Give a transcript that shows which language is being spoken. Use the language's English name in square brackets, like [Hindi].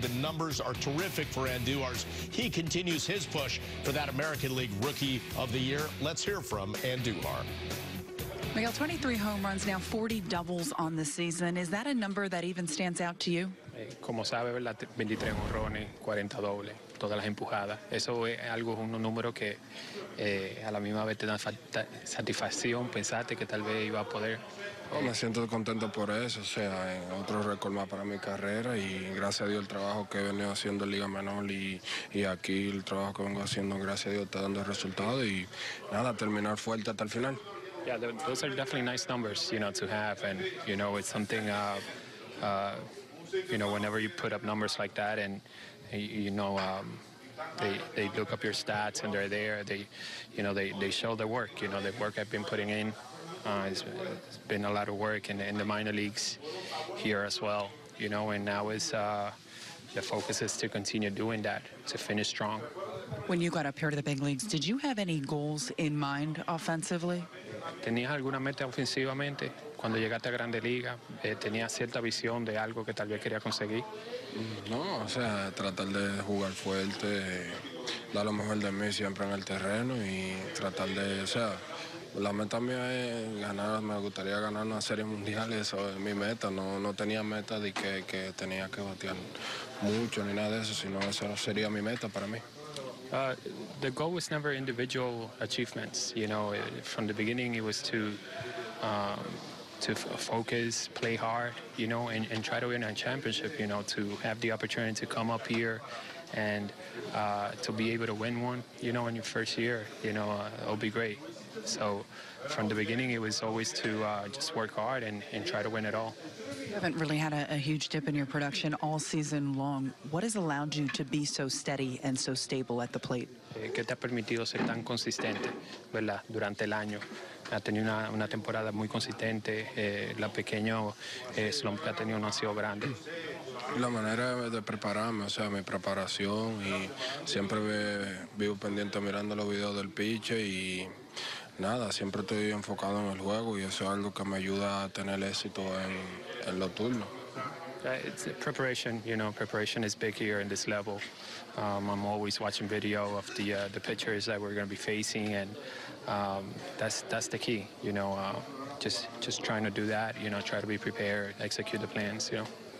[English] The numbers are terrific for Andujar. He continues his push for that American League Rookie of the Year. Let's hear from Andujar. Miguel, 23 home runs, now 40 doubles on the season. Is that a number that even stands out to you? [Spanish] Como sabe, 23 jonrones, 40 dobles, todas las empujadas. Eso es algo, un número que a la misma vez te da satisfacción. Pensaste que tal vez iba a poder. Me siento contento por eso. O sea, en otro récord más para mi carrera. Y gracias a Dios, el trabajo que he venido haciendo en Liga Menor y aquí, el trabajo que vengo haciendo, gracias a Dios, está dando resultados. Y nada, terminar fuerte hasta el final. [English] Yeah, those are definitely nice numbers, you know, to have. And, you know, it's something, you know, whenever you put up numbers like that and, you know, they look up your stats and they're there, they show their work, you know, the work I've been putting in. It's been a lot of work in the minor leagues here as well, you know, and now is the focus is to continue doing that, to finish strong. When you got up here to the big leagues, did you have any goals in mind offensively? [Spanish] ¿Tenías alguna meta ofensivamente cuando llegaste a Grande Liga? ¿Tenías cierta visión de algo que tal vez quería conseguir? No, o sea, tratar de jugar fuerte, dar lo mejor de mí siempre en el terreno y tratar de, o sea, la meta mía es ganar, me gustaría ganar una serie mundial, eso es mi meta. No tenía meta de que tenía que batear mucho ni nada de eso, sino esa sería mi meta para mí. [English] The goal was never individual achievements, you know, from the beginning it was to focus, play hard, you know, and try to win a championship, you know, to have the opportunity to come up here and to be able to win one, you know, in your first year, you know, it'll be great. So from the beginning it was always to just work hard and try to win it all. You haven't really had a huge dip in your production all season long. What has allowed you to be so steady and so stable at the plate? [Spanish] ¿Qué te ha permitido ser tan consistente, verdad, durante el año? Ha tenido una temporada muy consistente. La pequeña slump que ha tenido no ha sido grande. La manera de prepararme, o sea, mi preparación. Y siempre vivo pendiente mirando los videos del piche y nada, siempre estoy enfocado en el juego y eso es algo que me ayuda a tener éxito en los turnos. [English] It's preparation, you know, preparation is big here in this level. I'm always watching video of the pitchers that we're going to be facing, and that's the key, you know, just trying to do that, you know, try to be prepared, execute the plans, you know.